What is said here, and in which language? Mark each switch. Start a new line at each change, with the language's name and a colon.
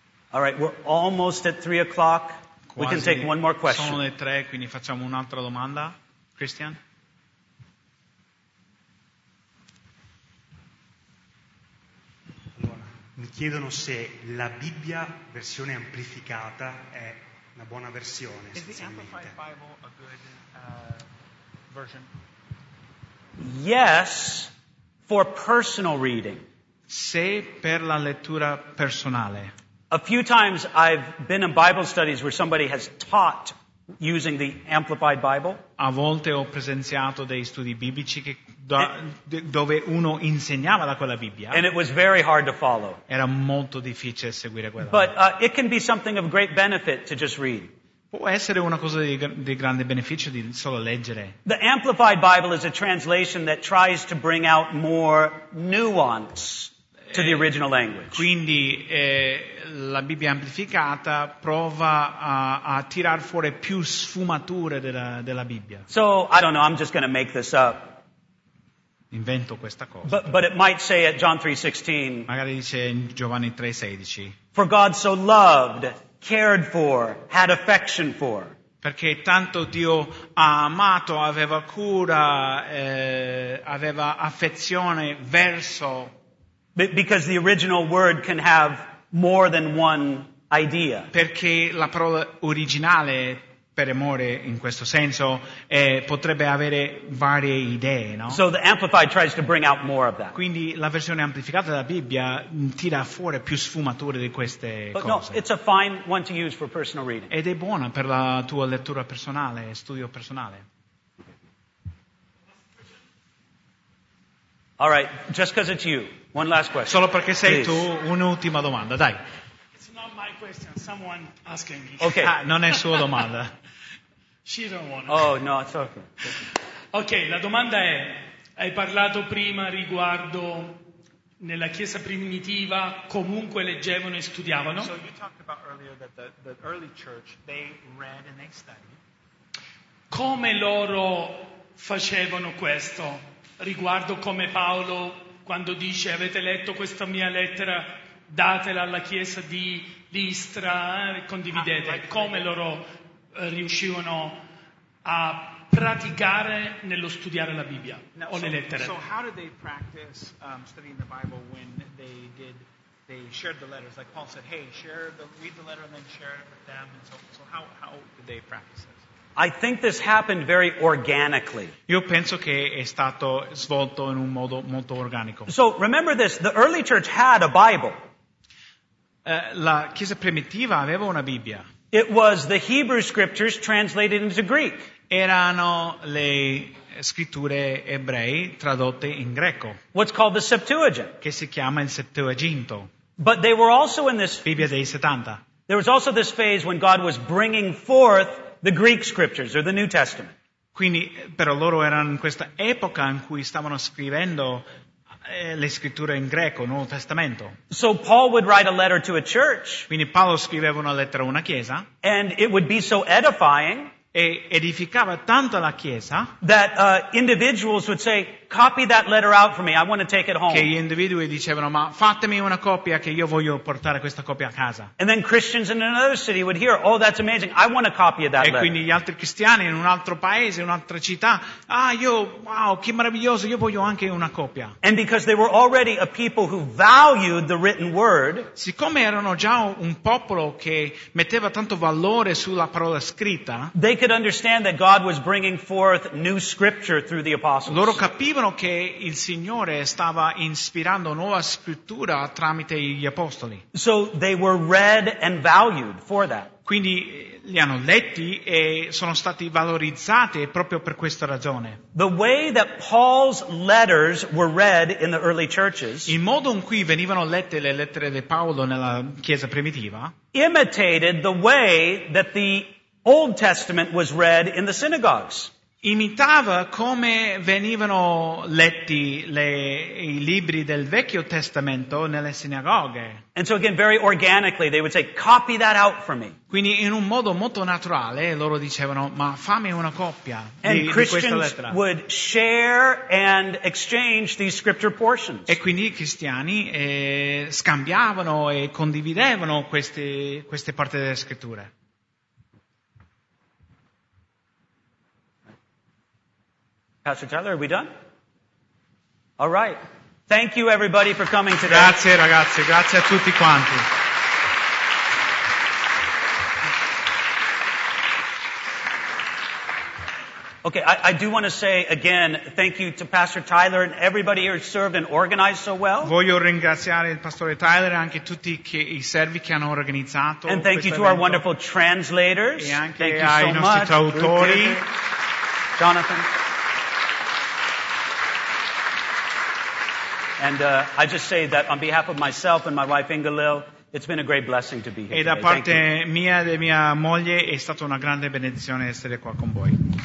English: All right, we're almost at 3 o'clock.
Italian: Quasi.
English: We can take one more question.
Italian: Sono le tre, quindi facciamo un'altra domanda. Christian? Mi chiedono se la Bibbia versione amplificata è una buona versione.
English: Is the Amplified Bible a good version? Yes, for personal reading.
Italian: Se per la lettura personale.
English: A few times I've been in Bible studies where somebody has taught using the Amplified Bible.
Italian: A volte ho presenziato dei studi biblici che dove uno insegnava da quella Bibbia.
English: And it was very hard to follow.
Italian: Era molto difficile seguire quella.
English: But it can be something of great benefit to just read.
Italian: Può essere una cosa di grande beneficio di solo leggere.
English: The Amplified Bible is a translation that tries to bring out more nuance to the original language.
Italian: Quindi la Bibbia amplificata prova a tirar fuori più sfumature della Bibbia.
English: So, I don't know, I'm just going to make this up.
Italian: Invento questa cosa.
English: But it might say at John 3:16.
Italian: Magari dice in Giovanni 3:16.
English: For God so loved, cared for, had affection for.
Italian: Perché tanto Dio ha amato, aveva cura, aveva affezione verso.
English: Because the original word can have more than one idea.
Italian: Perché la parola originale per amore in questo senso potrebbe avere varie idee, no?
English: So the Amplified tries to bring out more of that.
Italian: Quindi la versione amplificata della Bibbia tira fuori più sfumature di queste
English: but
Italian: cose.
English: No, it's a fine one to use for personal reading.
Italian: Ed è buona per la tua lettura personale, studio personale.
English: All right, just because it's you. One last question.
Italian: Solo perché sei
English: please.
Italian: Tu, un'ultima domanda, dai.
English: It's not my question. Someone asking me. Okay.
Italian: Non è sua domanda.
English: She don't want to. Oh, no, it's okay.
Italian: Okay, la domanda è, hai parlato prima riguardo nella Chiesa primitiva, comunque leggevano e studiavano.
English: So you talked about earlier that the early church, they read and they studied.
Italian: Come loro facevano questo? Riguardo come Paolo quando dice avete letto questa mia lettera datela alla chiesa di Listra condividete come loro riuscivano a praticare nello studiare la Bibbia o le lettere.
English: So how did they practice studying the Bible when they did they shared the letters like Paul said hey share the read the letter and then share it with them and so how did they practice this? I think this happened very organically.
Italian: Io penso che è stato svolto in un modo molto organico.
English: So remember this, the early church had a Bible.
Italian: La chiesa primitiva aveva una Bibbia.
English: It was the Hebrew scriptures translated into Greek.
Italian: Erano le scritture ebree tradotte in greco.
English: What's called the Septuagint.
Italian: Che si chiama il Septuaginto.
English: But they were also in this
Italian: Bibbia dei 70.
English: There was also this phase when God was bringing forth the Greek scriptures or the New Testament.
Italian: Quindi però loro erano in questa epoca in cui stavano scrivendo le scritture in greco, Nuovo Testamento.
English: So Paul would write a letter to a church.
Italian: Quindi Paolo scriveva una lettera a una chiesa.
English: And it would be so edifying.
Italian: E edificava tanto la chiesa.
English: That individuals would say, copy that letter out for me, I want to take it home.
Italian: Che gli individui dicevano, ma fatemi una copia che io voglio portare questa copia a casa.
English: And then Christians in another city would hear, oh that's amazing, I want a copy of that letter.
Italian: E quindi gli altri cristiani in un altro paese, in un'altra città, ah io, wow, che meraviglioso, io voglio anche una copia.
English: And because they were already a people who valued the written word.
Italian: Siccome erano già un popolo che metteva tanto valore sulla parola scritta.
English: They could understand that God was bringing forth new scripture through the apostles.
Italian: Loro capivano che il Signore stava ispirando nuova scrittura tramite gli apostoli.
English: So they were read and valued for that.
Italian: Quindi li hanno letti e sono stati valorizzati proprio per questa ragione.
English: The way that Paul's letters were read in the early churches,
Italian: il modo in cui venivano lette le lettere di Paolo nella chiesa primitiva,
English: imitated the way that the Old Testament was read in the synagogues.
Italian: imitava come venivano letti i libri del Vecchio Testamento nelle sinagoghe.
English: And so again, very organically, they would say, copy that out for me.
Italian: Quindi in un modo molto naturale loro dicevano, ma fammi una copia di questa lettera.
English: And Christians would share and exchange these scripture portions.
Italian: E quindi i cristiani scambiavano e condividevano queste parti delle scritture.
English: Pastor Tyler, are we done? All right. Thank you everybody for coming today.
Italian: Grazie ragazzi, grazie a tutti quanti.
English: Okay, I do want to say again thank you to Pastor Tyler and everybody here who served and organized so well.
Italian: Voglio ringraziare il pastore Tyler e anche tutti i servi che hanno organizzato.
English: And thank you to our wonderful translators.
Italian: E anche
English: thank you
Italian: ai
English: so
Italian: nostri
English: much.
Italian: Traduttori.
English: Jonathan. And I just say that on behalf of myself and my wife Ingalil, it's been a great blessing to be here.
Italian: E da parte mia e mia moglie è stata una grande benedizione essere qua con voi.